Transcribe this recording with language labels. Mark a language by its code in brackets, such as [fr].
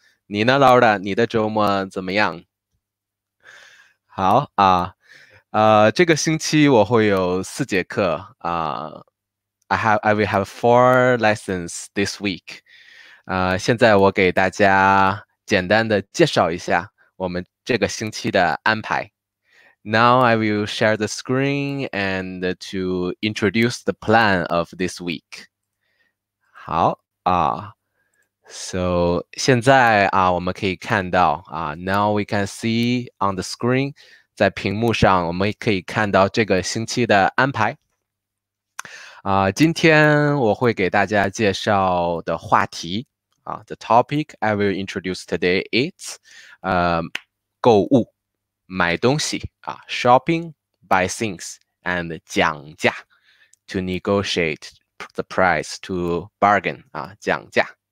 [zh] 你呢，Laura？ 你的周末怎么样？好这个星期我会有4节课 [en] I will have 4 lessons this week。 [zh] 现在我给大家简单的介绍一下我们这个星期的安排。 [en] Now I will share the screen and to introduce the plan of this week. [zh] 好啊，So 现在我们可以看到 [en] Now we can see on the screen， [zh] 在屏幕上我们可以看到这个星期的安排。今天我会给大家介绍的话题。 [en] The topic I will introduce today is [zh] 购物、买东西 [en] shopping, buy things, and 讲价 to negotiate the price, to bargain, 讲价。